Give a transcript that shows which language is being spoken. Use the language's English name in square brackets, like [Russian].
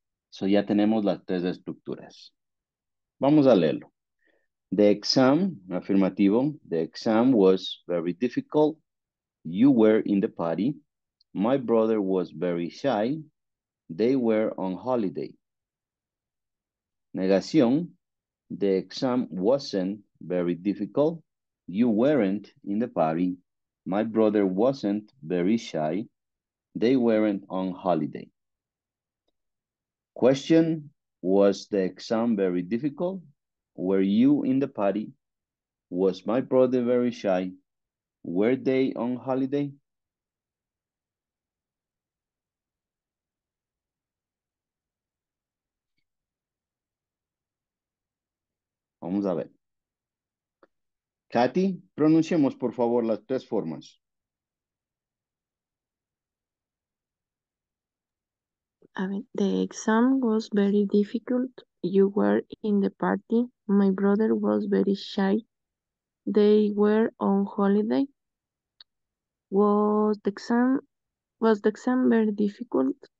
[Spanish] So ya tenemos las tres estructuras. Vamos a leerlo. The exam, afirmativo. [English] The exam was very difficult. You were in the party. My brother was very shy. They were on holiday. Negación. The exam wasn't very difficult. You weren't in the party. My brother wasn't very shy. They weren't on holiday. Question: Was the exam very difficult? Were you in the party? Was my brother very shy? Were they on holiday? [Spanish] Vamos a ver. Katy, pronunciemos por favor las tres formas. [English] A ver, the exam was very difficult. You were in the party. My brother was very shy. They were on holiday. Was the exam very difficult?